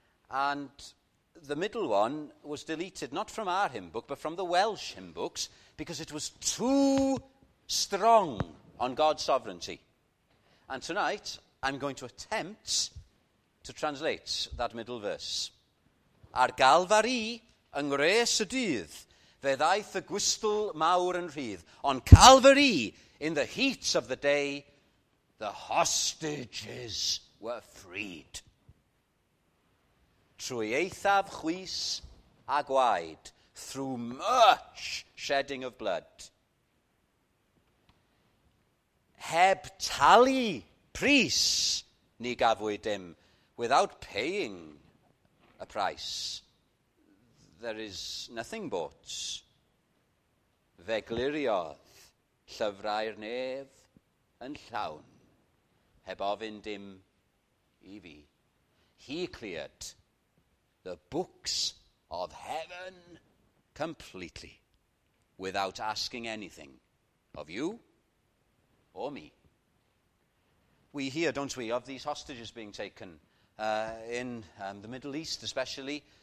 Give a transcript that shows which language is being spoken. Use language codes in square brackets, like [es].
[en] And the middle one was deleted, not from our hymn book, but from the Welsh hymn books, because it was too strong on God's sovereignty. And tonight, I'm going to attempt to translate that middle verse. [cy] Ar galfar I, yng ngres y dydd, fe ddaeth y gwystl mawr yn rhydd. [en] On calfar I, in the heat of the day, the hostages were freed. [cy] Trwy eithaf chwys a gwaed, [en] through much shedding of blood. [cy] Heb talu pris ni gafwyd dim, [en] without paying a price, there is nothing bought. [cy] Fe gliriodd llyfrau'r nef yn llawn, heb ofyn dim i fi. [en] He cleared the books of heaven completely, without asking anything of you or me. We hear, don't we, of these hostages being taken in the Middle East especially.